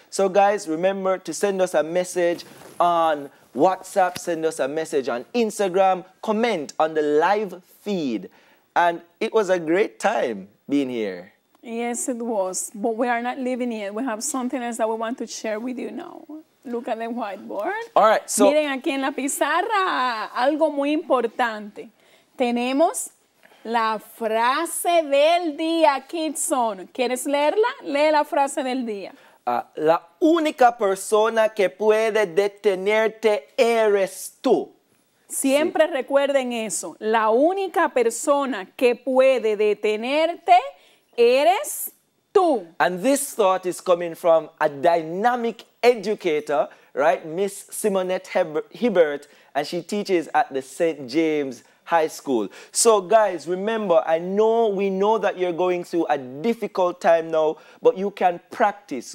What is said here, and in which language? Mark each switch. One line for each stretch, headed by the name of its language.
English: So guys, remember to send us a message on WhatsApp, send us a message on Instagram, comment on the live feed. And it was a great time being here. Yes, it was. But we are not leaving yet. We have something else that we want to share with you now. Look at the whiteboard. All right, so.
Spanish: Miren aquí en la pizarra, algo muy importante. Tenemos la frase del día, Kidson. ¿Quieres leerla? Lee la frase del día. La única persona que puede detenerte eres tú. Siempre sí. Recuerden eso. La única persona que puede detenerte eres tú.
English: And this thought is coming from a dynamic educator, right? Miss Simonette Hibbert, and she teaches at the St. James High School. So guys, remember, we know that you're going through a difficult time now, but you can practice.